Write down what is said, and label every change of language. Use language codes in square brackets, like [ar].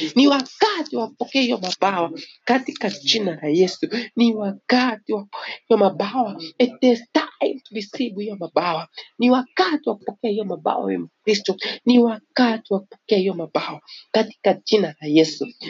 [sw] Ni wakati wa kupokea hiyo mabawa katika jina la Yesu. Ni wakati wa kupokea hiyo mabawa. [en] It is time to receive [sw] hiyo mabawa. Ni wakati wa kupokea hiyo mabawa wewe Mkristo. Ni wakati wa kupokea hiyo mabawa katika jina la Yesu.